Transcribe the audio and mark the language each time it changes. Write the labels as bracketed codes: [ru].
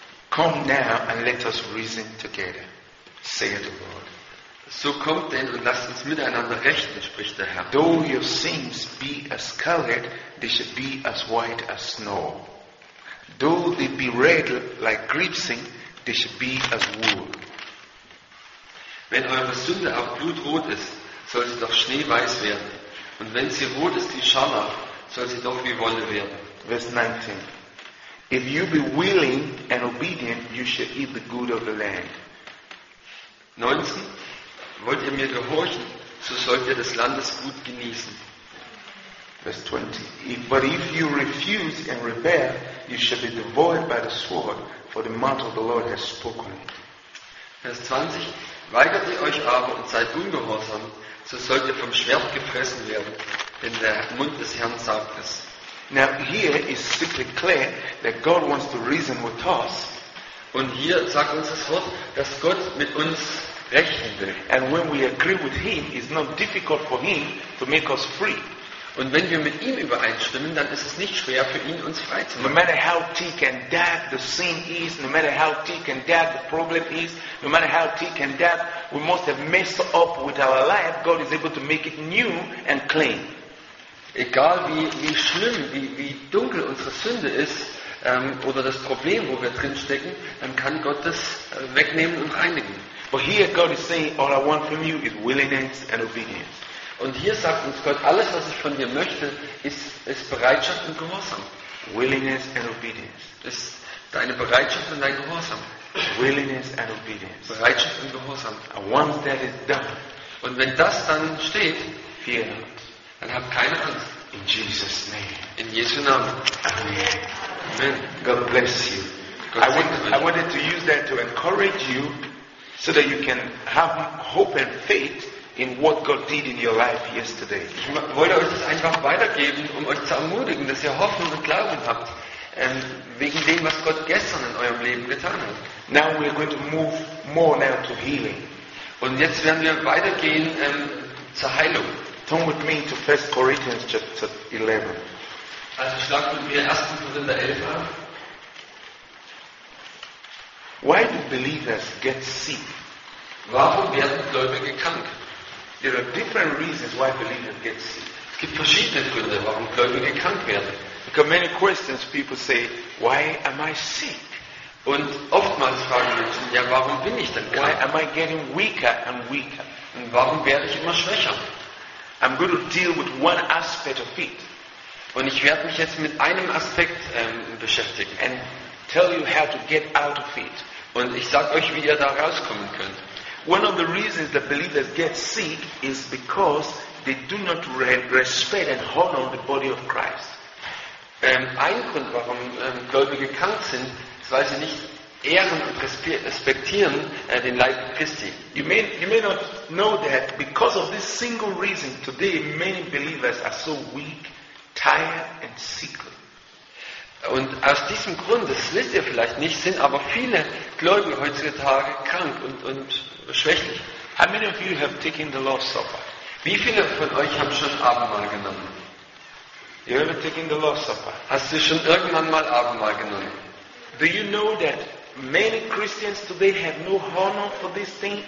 [en] come now and let us reason together, saith the Lord. [de] So kommt denn und lasst uns miteinander rechten, spricht der Herr. [en] Though your sins be as scarlet, they shall be as white as snow. Though they be red like crimson, they shall be as wool. [de] Wenn eure Sünde auch blutrot ist, soll sie doch schneeweiß werden. Und wenn sie rot ist wie Scharlach, soll sie doch wie Wolle werden. [en] Verse 19. If you be willing and obedient, you shall eat the good of the land. [de] 19. Wollt ihr mir gehorchen, so sollt ihr des Landes gut genießen. [en] Verse 20. But if you refuse and rebel, you shall be devoured by the sword, for the mouth of the Lord has spoken. Verse 20. [de] Weigert ihr euch aber und seid ungehorsam, so sollt ihr vom Schwert gefressen werden, denn der Mund des Herrn sagt es. [en] Now here is simply clear that God wants to reason with us. [de] Und hier sagt uns das Wort, dass Gott mit uns rechnen will. [en] And when we agree with him, it's not difficult for him to make us free. [de] Und wenn wir mit ihm übereinstimmen, dann ist es nicht schwer für ihn, uns frei zu machen. [en] No matter how thick and dark the sin is, no matter how thick and dark the problem is, no matter how thick and dark we must have messed up with our life, God is able to make it new and clean. [de] Egal wie schlimm, wie dunkel unsere Sünde ist, oder das Problem, wo wir drin stecken, dann kann Gott das wegnehmen und reinigen. [en] But here God is saying, all I want from you is willingness and obedience. [de] Und hier sagt uns Gott, alles was ich von dir möchte, ist Bereitschaft und Gehorsam. [en] Willingness and obedience. [de] Ist deine Bereitschaft und dein Gehorsam. [en] Willingness and obedience. [de] Bereitschaft und Gehorsam. [en] And once that is done. [de] Und wenn das dann steht, [en] fear not. [de] Dann hab keine Angst. [en] In Jesus' name. [de] In Jesu Namen. [en] Amen. God bless you. I wanted to use that to encourage you so that you can have hope and faith in what God did in your life yesterday. [de] Ich wollte euch das einfach weitergeben, um euch zu ermutigen, dass ihr Hoffnung und Glauben habt, wegen dem, was Gott gestern in eurem Leben getan hat. [en] Now we are going to move more now to healing. [de] Und jetzt werden wir weitergehen zur Heilung. [en] Turn with me to 1 Corinthians chapter 11. [de] Also schlagt mit mir 1. Korinther 11 an. [en] Why do believers get sick? [de] Warum werden Gläubige krank? [en] There are different reasons why believers get sick. [de] Es gibt verschiedene Gründe, warum Gläubige krank werden. [en] Because many questions people say, why am I sick? [de] Und oftmals fragen Menschen, ja, warum bin ich denn krank? [en] Why am I getting weaker and weaker? [de] Und warum werde ich immer schwächer? [en] I'm going to deal with one aspect of it. [de] Und ich werde mich jetzt mit einem Aspekt beschäftigen. [en] And tell you how to get out of it. [de] Und ich sage euch, wie ihr da rauskommen könnt. [en] One of the reasons that believers get sick is because they do not respect and honor the body of Christ. [de] Ein Grund, warum Gläubige krank sind, ist, weil sie nicht ehren und respektieren den Leib Christi. [en] You may not know that because of this single reason, today many believers are so weak, tired and sick. [de] Und aus diesem Grund, das wisst ihr vielleicht nicht, sind aber viele Gläubige heutzutage krank und schwächlich. [en] How many of you have taken the Lord's Supper? [de] Wie viele von euch haben schon Abendmahl genommen? [en] You ever taken the Lord's Supper? [de] Hast du schon irgendwann mal Abendmahl genommen? [en] Do you know that many Christians today have no honor for this thing?